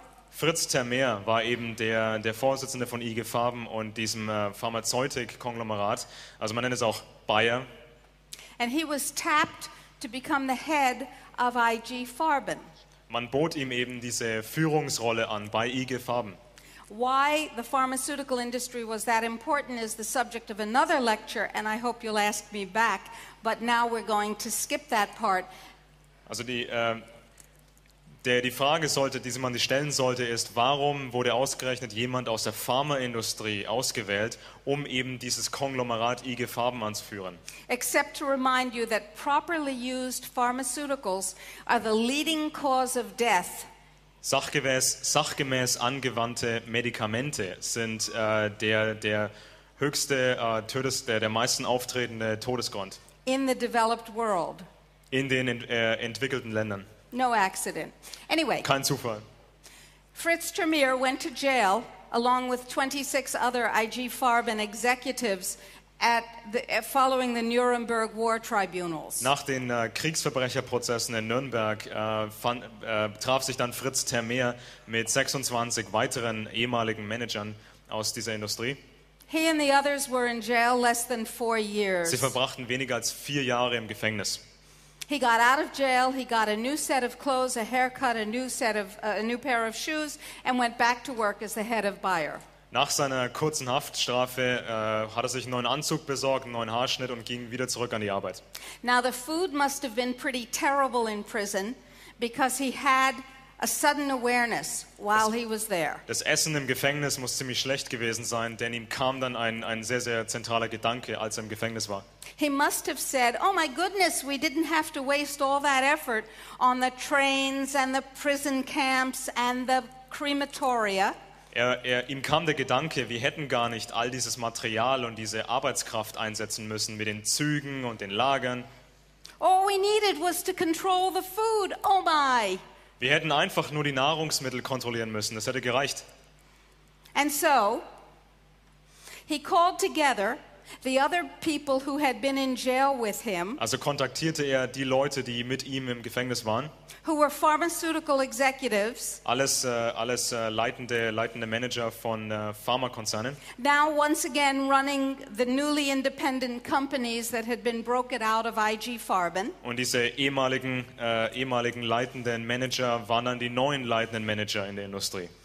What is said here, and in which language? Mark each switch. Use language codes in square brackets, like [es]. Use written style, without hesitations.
[de] Fritz Termeer war eben der Vorsitzende von IG Farben und diesem Pharmazeutik-Konglomerat. Also man nennt es auch Bayer. [en] And he was tapped to become the head of IG Farben. [de] Man bot ihm eben diese Führungsrolle an bei IG Farben. [en] Why the pharmaceutical industry was that important is the subject of another lecture, and I hope you'll ask me back, but now we're going to skip that part. [de] Also die Frage sollte, die man sich stellen sollte, ist, warum wurde ausgerechnet jemand aus der Pharmaindustrie ausgewählt, um eben dieses Konglomerat IG Farben anzuführen? [en] Except to remind you that properly used pharmaceuticals are the leading cause of death. [de] Sachgemäß angewandte Medikamente sind der höchste der meisten auftretende Todesgrund. [en] In the developed world. [de] In den entwickelten Ländern. [en] No accident. Anyway, [de] kein Zufall. [en] Fritz Termeer went to jail along with 26 other IG Farben executives following the Nuremberg War Tribunals. [de] Nach den Kriegsverbrecherprozessen in Nürnberg traf sich dann Fritz Termeer mit 26 weiteren ehemaligen Managern aus dieser Industrie. [en] He and the others were in jail less than 4 years. [de] Sie verbrachten weniger als 4 Jahre im Gefängnis. [en] He got out of jail, he got a new set of clothes, a haircut, a new pair of shoes and went back to work as the head of Bayer. [de] Nach seiner kurzen Haftstrafe hat er sich einen neuen Anzug besorgt, einen neuen Haarschnitt und ging wieder zurück an die Arbeit. [en] Now the food must have been pretty terrible in prison because he had a sudden awareness while he was there. [de] Das Essen im Gefängnis muss ziemlich schlecht gewesen sein, denn ihm kam dann ein sehr, sehr zentraler Gedanke, als er im Gefängnis war. [en] He must have said, oh my goodness, we didn't have to waste all that effort on the trains and the prison camps and the crematoria. [de] Ihm kam der Gedanke, wir hätten gar nicht all dieses Material und diese Arbeitskraft einsetzen müssen mit den Zügen und den Lagern. [en] All we needed was to control the food, oh my. [de] Wir hätten einfach nur die Nahrungsmittel kontrollieren müssen, das hätte gereicht. [en] And so, he called together the other people who had been in jail with him. [de] Also kontaktierte er die Leute, die mit ihm im Gefängnis waren. [en] Who were pharmaceutical executives. [de] Alles leitende Manager von Pharmakonzernen. [en] Now once again running the newly independent companies that had been broken out of IG Farben. [de] Und diese ehemaligen leitenden Manager waren dann die neuen leitenden Manager in der Industrie.